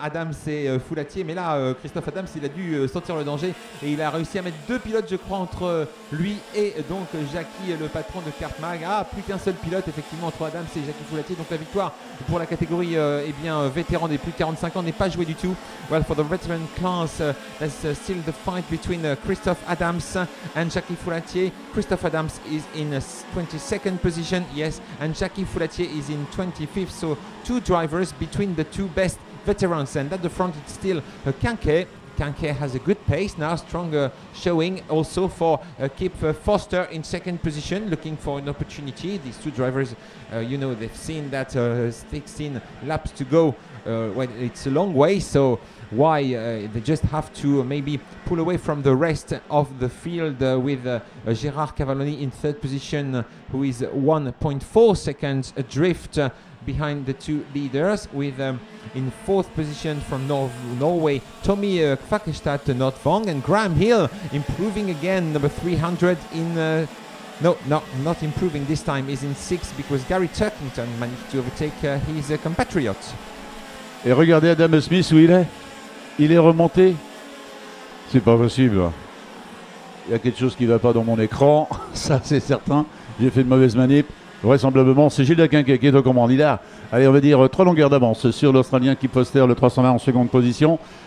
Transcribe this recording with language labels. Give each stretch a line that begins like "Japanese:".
French: Adam, c'est Foulatier, mais là, Christophe Adams, il a dû sentir le danger, et il a réussi à mettre deux pilotes, je crois, entre lui et donc Jackie, le patron de Kartmag. Ah, plus qu'un seul pilote, effectivement, entre Adam et Jackie Foulatier. Donc la victoire pour la catégorie vétérans des plus de 45 ans n'est pas jouée du tout.
English: Well, for the veteran class, there's still the fight between Christophe Adams and Jackie Foulatier. Christophe Adams is in a 22nd position, yes, and Jackie Foulatier is in 25th, so two drivers between the two best veterans. And at the front, it's still Quinquet. Quinquet has a good pace now, stronger showing also for Kip Foster in second position, looking for an opportunity. These two drivers, they've seen that 16 laps to go, it's a long way, so why they just have to maybe pull away from the rest of the field with Gérard Cavalloni in third position, who is 1.4 seconds adrift behind the two leaders, with in fourth position from Norway Tommy Kvakestad to Nordvang, and Graham Hill improving again, number 300 in not improving this time, is in sixth, because Gary Turkington managed to overtake his compatriot.
French: Et regardez Adam Smith où il est. Il est remonté. C'est pas possible. Il y a quelque chose qui ne va pas dans mon écran. Ça, c'est certain. J'ai fait une mauvaise manip. Vraisemblablement, c'est Gilles Dakin qui est aux commandes. Il a, allez, on va dire, trois longueurs d'avance sur l'Australien qui poster le 320 en seconde position.